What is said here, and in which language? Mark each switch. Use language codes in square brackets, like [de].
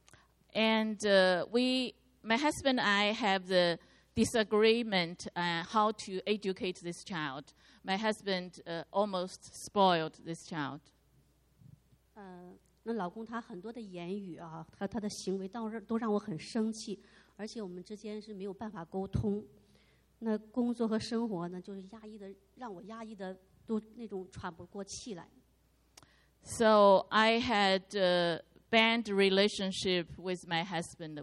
[en] my husband and I have the disagreement on how to educate this child. My husband almost spoiled this child. [zh] 那老公他很多的言语啊，他的行为都让我很生气，而且我们之间是没有办法沟通。那工作和生活呢，就是压抑的，让我压抑的都那种喘不过气来。 [en] So I had a bad relationship with my husband.